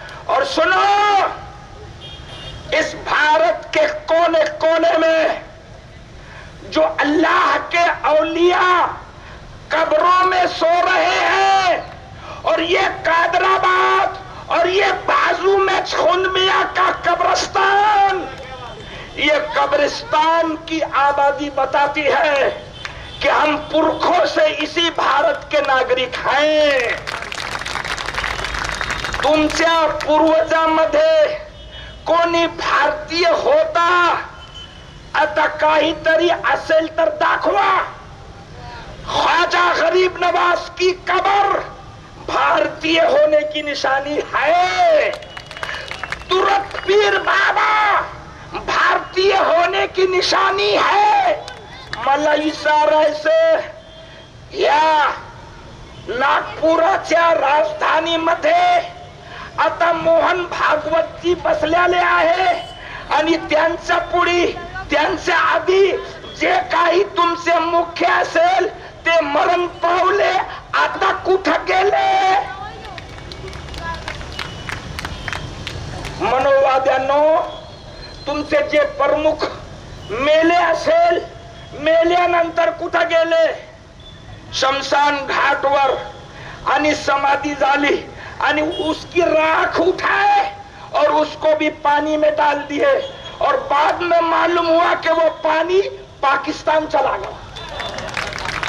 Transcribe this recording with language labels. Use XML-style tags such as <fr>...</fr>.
<hi>और सुनो, इस भारत के कोने कोने में जो अल्लाह के औलिया कब्रों में सो रहे हैं और ये कादराबाद और ये बाजू में छुंदमिया का कब्रिस्तान, ये कब्रिस्तान की आबादी बताती है कि हम पुरखों से इसी भारत के नागरिक हैं।</hi> <mr>तुमच्या पूर्वजामध्ये कोणी भारतीय होता आता काहीतरी असेल तर दाखवा।</mr> <hi>ख्वाजा गरीब नवाज की कबर भारतीय होने की निशानी है, तुरत पीर बाबा भारतीय होने की निशानी है, मलाईसा रायसे</hi> <mr>या नागपुराच्या राजधानी मध्ये आता मोहन भागवत जी बसलेले आहे आणि त्यांच्या पुढे त्यांच्या आधी जे काही तुमचे मुख्य असेल ते मरण पावले, आता कुठे गेले? मनोवाद्यांनो, तुमचे जे प्रमुख मेले असेल मेल्यानंतर कुठे गेले? शमशान घाटवर आणि समाधी झाली आणि</mr> <hi>उसकी राख उठाए और उसको भी पानी में डाल दिए और बाद में मालूम हुआ कि वो पानी पाकिस्तान चला गया।</hi>